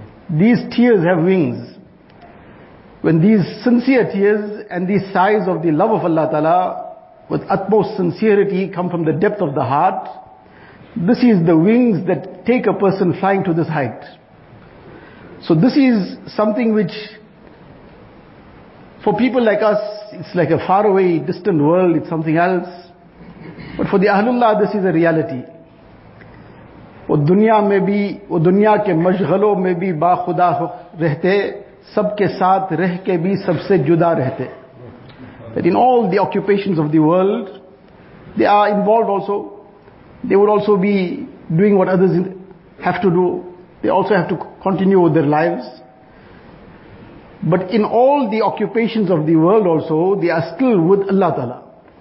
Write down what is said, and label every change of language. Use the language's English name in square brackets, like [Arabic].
[English] These tears have wings. When these sincere tears and these sighs of the love of Allah Ta'ala with utmost sincerity come from the depth of the heart, this is the wings that take a person flying to this height. So this is something which for people like us, it's like a faraway, distant world, it's something else. But for the Ahlullah, this is a reality. [Urdu] وہ دنیا میں بھی وہ دنیا کے مشغلوں میں بھی با خدا رہتے سب کے ساتھ رہ کے بھی سب سے جدا رہتے. [English] That in all the occupations of the world, they are involved also. They would also be doing what others have to do. They also have to continue with their lives. But in all the occupations of the world also, they are still with Allah Ta'ala.